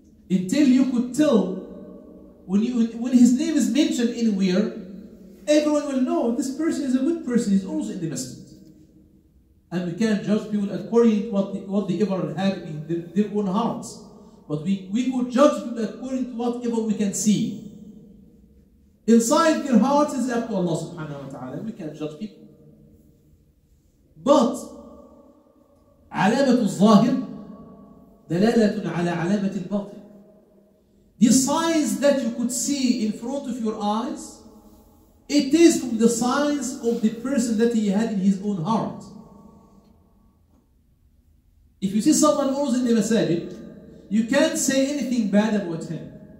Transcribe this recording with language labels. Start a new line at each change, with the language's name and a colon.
English: Until you could tell, when his name is mentioned anywhere, everyone will know this person is a good person, he's always in the masjid. And we can't judge people according to what they ever have in their own hearts. But we could judge people according to whatever we can see. Inside their hearts is up to Allah subhanahu wa ta'ala. We can't judge people.
Arabic: But علامة الظاهر دلالة على علامة الباطن.
English: The signs that you could see in front of your eyes, it is from the signs of the person that he had in his own heart. If you see someone who's in the masjid, you can't say anything bad about him.